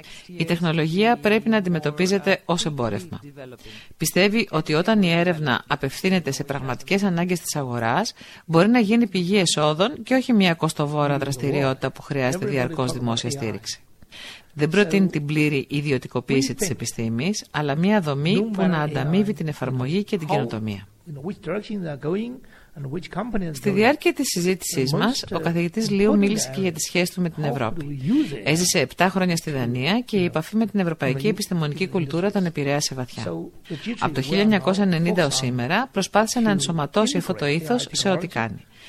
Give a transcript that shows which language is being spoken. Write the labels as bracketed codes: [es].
[el] Η τεχνολογία πρέπει να αντιμετωπίζεται ως εμπόρευμα. Πιστεύει ότι όταν η έρευνα απευθύνεται σε πραγματικές ανάγκες της αγοράς, μπορεί να γίνει πηγή εσόδων και όχι μια κοστοβόρα δραστηριότητα που χρειάζεται διαρκώς δημόσια στήριξη. Δεν προτείνει την πλήρη ιδιωτικοποίηση της επιστήμης, αλλά μια δομή που να ανταμείβει την εφαρμογή και την καινοτομία. [en] you know, which direction they are going and which company. [el] Στη διάρκεια της συζήτησής μας, ο καθηγητής Λίου μίλησε και για τις σχέσεις του με την Ευρώπη. Έζησε 7 χρόνια στη Δανία και η επαφή με την ευρωπαϊκή επιστημονική κουλτούρα τον επηρέασε βαθιά. Από το 1990 ως σήμερα, προσπάθησε να ενσωματώσει αυτό το ήθος σε ό,τι κάνει.